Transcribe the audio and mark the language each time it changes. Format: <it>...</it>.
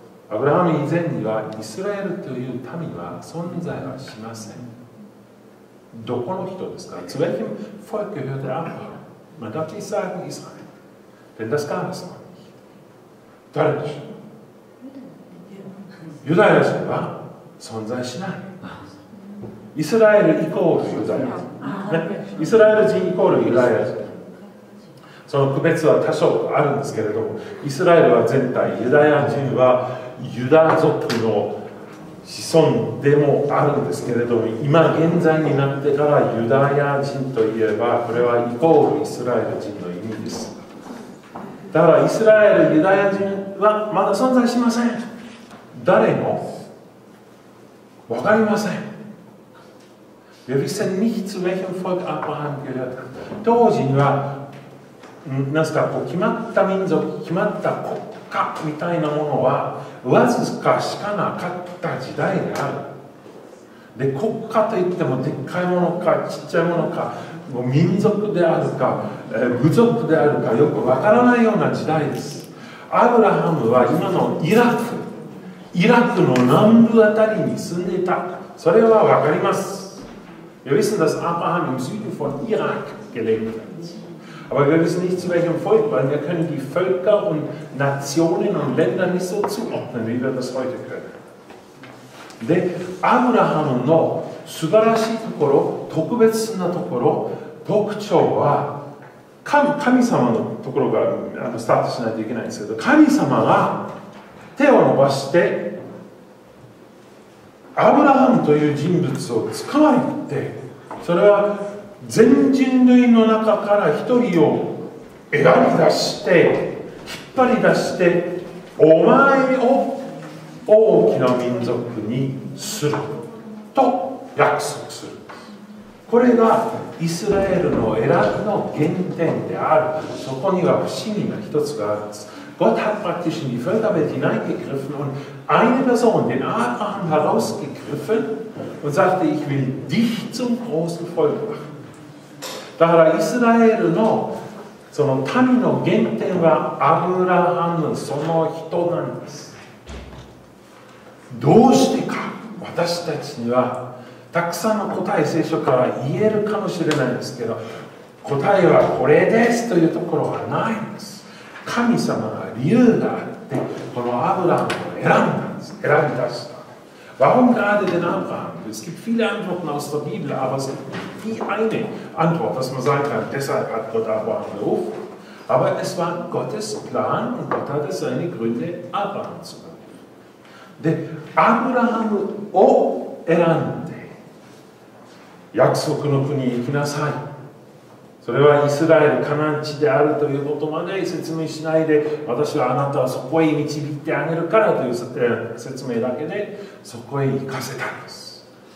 <ja>アブラハム以前にはイスラエルという民は存在はしません。どこの人ですか？</ja> <de>Zu welchem Volk gehörte Abraham? Man darf nicht sagen Israel. Denn das gab es noch nicht.</de> <ja>誰でしょう？ユダヤ人は存在しない。イスラエルイコールユダヤ人。イスラエル人イコールユダヤ人。その区別は多少あるんですけれども、イスラエルは全体、ユダヤ人はユダ族の子孫でもあるんですけれども、今現在になってからユダヤ人といえば、これはイコールイスラエル人の意味です。だからイスラエル、ユダヤ人はまだ存在しません。誰も分かりません。</ja> <de>Wir wissen nicht, zu welchem Volk Abraham gehört.</de> <ja>当時には、なんかこう決まった民族、決まった国家みたいなものはわずかしかなかった時代である。で、国家といってもでっかいものかちっちゃいものか、もう民族であるか、部族であるかよくわからないような時代です。アブラハムは今のイラクの南部あたりに住んでいた。それはわかります。</ja> <de>Wir wissen, dass Abraham im Süden von Irak gelebt hat. Aber wir wissen nicht, zu welchem Volk, weil wir können die Völker und Nationen und Länder nicht so zuordnen, wie wir das heute können.</de> <ja>で、アブラハムの素晴らしいところ、特別なところ、特徴は、神様のところがスタートしないといけないんですけど、神様が手を伸ばして、アブラハムという人物を捕まえて、それは全人類の中から一人を選び出して引っ張り出して、お前を大きな民族にすると約束する。これがイスラエルの選びの原点である。そこには不思議な一つがあるんです。</ja> <de>Gott hat praktisch in die Völkerwelt hineingegriffen und eine Person, den Abraham, herausgegriffen und sagte, ich will dich zum großen Volk machen.</de> <ja>だからイスラエルのその民の原点はアブラハムその人なんです。どうしてか、私たちにはたくさんの答え聖書から言えるかもしれないんですけど、答えはこれですというところはないんです。神様が理由があってこのアブラハムを選んだんです。選び出した。</ja> <de>Warum gerade den Abraham? Es gibt viele Antworten aus der Bibel, aber es gibt die eine Antwort, dass man sagen kann, deshalb hat Gott Abraham gerufen. Aber es war Gottes Plan und Gott hatte seine Gründe, Abraham zu rufen.</de> <ja>で、アブラハムを選んで約束の国に行きなさい、それはイスラエル、カナン地であるということまで説明しないで、私はあなたをそこへ導いてあげるからという説明だけでそこへ行かせたんです。</ja>